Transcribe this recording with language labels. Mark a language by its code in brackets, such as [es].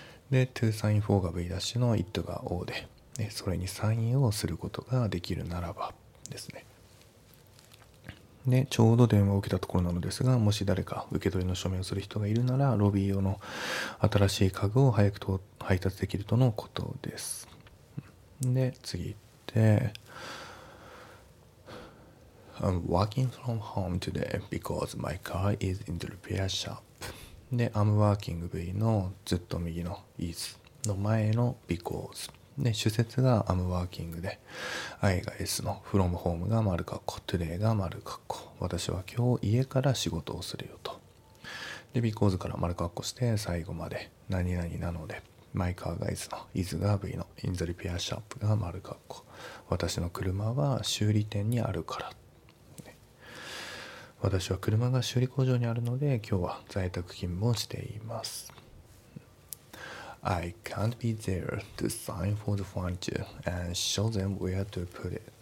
[ja] で、 [en] to sign for [ja] が V' の it が O で、ね、それにサインをすることができるならばですね。で、ちょうど電話を受けたところなのですが、もし誰か受け取りの署名をする人がいるなら、ロビー用の新しい家具を早く配達できるとのことです。で、次行って。 [en] I'm working from home today because my car is in the repair shop. [ja] で、 [en] I'm working [ja] V のずっと右の is の前の because。で、主節が [en] I'm working [ja] で、I が S の [en] from home [ja] が丸括弧、today が丸括弧。私は今日家から仕事をするよと。で、because から丸括弧して最後まで、何々なので、 [en] my car [ja] が S の is が V の [en] in the repair shop [ja] が丸括弧。私の車は修理店にあるから。私は車が修理工場にあるので、今日は在宅勤務をしています。 [en] I can't be there to sign for the furniture and show them where to put it.